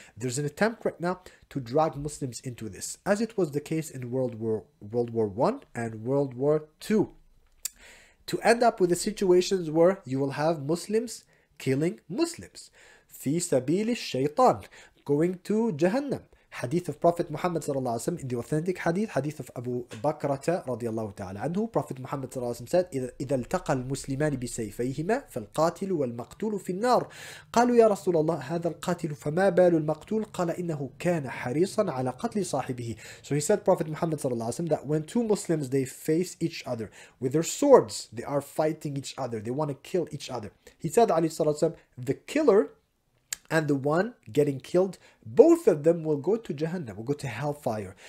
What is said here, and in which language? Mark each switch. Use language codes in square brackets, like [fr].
[en] There's an attempt right now to drag Muslims into this, as it was the case in World War One and World War Two, to end up with the situations where you will have Muslims killing Muslims. Fi sabili shaytan, going to Jahannam. Hadith of Prophet Muhammad sallallahu alaihi wasallam, in the authentic hadith of Abu Bakrata radiyallahu ta'ala anhu, Prophet Muhammad sallallahu alaihi wasallam said, [ar] إذا التقى المسلمان بسيفيهما فالقاتل والمقتول في النار. قالوا يا رسول الله هذا القاتل فما بال المقتول؟ قال إنه كان حريصا على قتل صاحبه. [en] So he said, Prophet Muhammad sallallahu alaihi wasallam, that when two Muslims, they face each other with their swords, they are fighting each other, they want to kill each other. He said, alayhi sallallahu alaihi wasallam, the killer and the one getting killed, both of them will go to Jahannam, will go to hellfire.